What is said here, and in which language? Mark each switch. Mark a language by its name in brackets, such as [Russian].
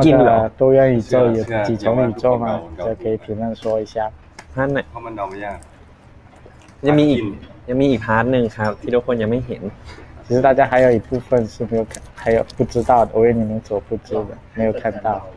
[Chinese] 的多元宇宙有几种宇宙吗？就可以评论说一下。他呢？他们怎么样？ [Thai] ยังมีอีก part หนึ่งครับที่ทุกคนยังไม่เห็น。 [Chinese] 其实大家还有一部分是没有看，还有不知道的，我为你们所不知的，没有看到。